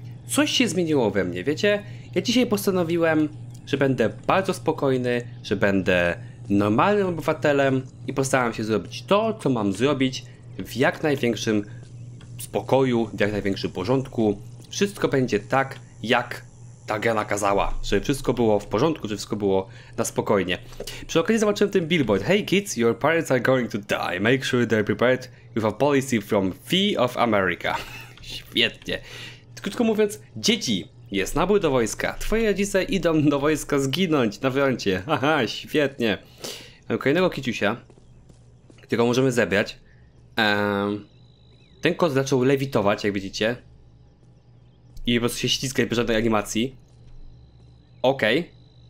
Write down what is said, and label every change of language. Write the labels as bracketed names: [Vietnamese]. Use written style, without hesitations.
[Polish] Coś się zmieniło we mnie, wiecie? Ja dzisiaj postanowiłem, że będę bardzo spokojny, że będę normalnym obywatelem i postaram się zrobić to, co mam zrobić w jak największym spokoju, w jak największym porządku. Wszystko będzie tak, jak ta gra nakazała, żeby wszystko było w porządku, żeby wszystko było na spokojnie. Przy okazji zobaczyłem ten billboard. [English] Hey kids, your parents are going to die. Make sure they're prepared with a policy from Fee of America. [Polish] Świetnie. Krótko mówiąc, dzieci, jest nabój do wojska. Twoje rodzice idą do wojska zginąć na froncie. Haha, świetnie. Mamy kolejnego kiciusia, którego możemy zebrać. Ten kot zaczął lewitować, jak widzicie. I po prostu się ściskać bez żadnej animacji. Okej. Okay.